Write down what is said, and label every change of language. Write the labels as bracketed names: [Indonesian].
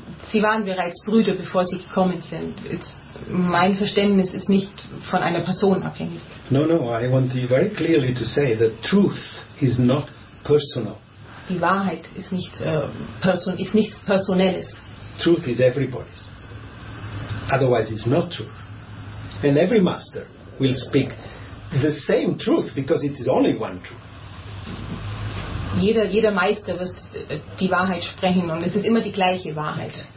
[German] Sie waren bereits Brüder, bevor sie gekommen sind. Mein Verständnis ist nicht von einer Person abhängig. [English] No, I want you very clearly to say that truth is not personal. [German] Die Wahrheit ist nicht ist nichts Personelles. [English] Truth is everybody's. Otherwise it's not truth. And every master will speak the same truth because it is only one truth. [German] Jeder Meister wird die Wahrheit sprechen und es ist immer die gleiche Wahrheit.